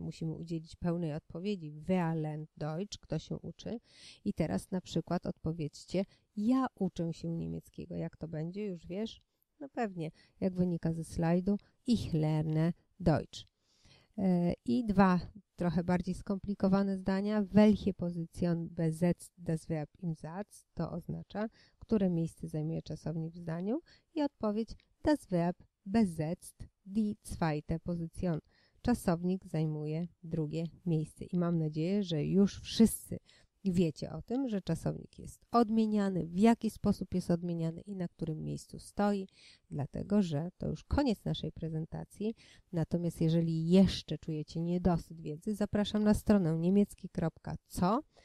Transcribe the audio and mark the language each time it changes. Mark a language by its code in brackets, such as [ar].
[pl] Musimy udzielić pełnej odpowiedzi. [de] Wer lernt Deutsch? [pl] Kto się uczy? I teraz na przykład odpowiedzcie, ja uczę się niemieckiego. Jak to będzie? Już wiesz? No pewnie, jak wynika ze slajdu, [de] ich lerne Deutsch. [pl] I dwa trochę bardziej skomplikowane zdania. [de] Welche Position besetzt das Verb im Satz? [pl] To oznacza, które miejsce zajmuje czasownik w zdaniu. I odpowiedź, [de] das Verb besetzt die zweite Position. [pl] Czasownik zajmuje drugie miejsce. I mam nadzieję, że już wszyscy wiecie o tym, że czasownik jest odmieniany, w jaki sposób jest odmieniany i na którym miejscu stoi, dlatego że to już koniec naszej prezentacji. Natomiast jeżeli jeszcze czujecie niedosyt wiedzy, zapraszam na stronę niemiecki.co.